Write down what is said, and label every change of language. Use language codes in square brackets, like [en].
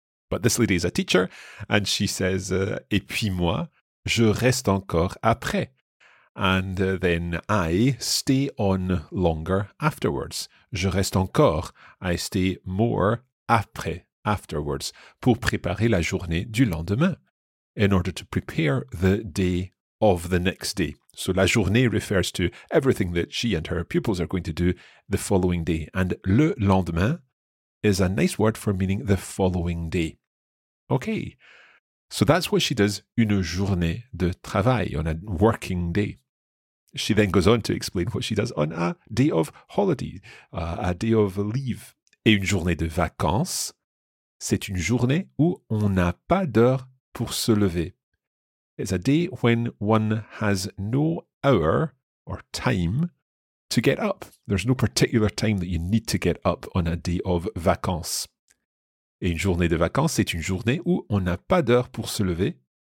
[en] But this lady is a teacher, and she says, [fr] et puis moi, je reste encore après. [en] And then I stay on longer afterwards. [fr] Je reste encore, [en] I stay more [fr] après, [en] afterwards, [fr] pour préparer la journée du lendemain. [en] In order to prepare the day of the next day. So la journée refers to everything that she and her pupils are going to do the following day. And le lendemain is a nice word for meaning the following day. Okay, so that's what she does, [fr] une journée de travail, [en] on a working day. She then goes on to explain what she does on a day of holiday, a day of leave. [fr] Et une journée de vacances, c'est une journée où on n'a pas d'heure pour se lever. [en] It's a day when one has no hour or time to get up. There's no particular time that you need to get up on a day of vacances. [fr] Et une journée de vacances, c'est une journée où on n'a pas d'heure pour se lever.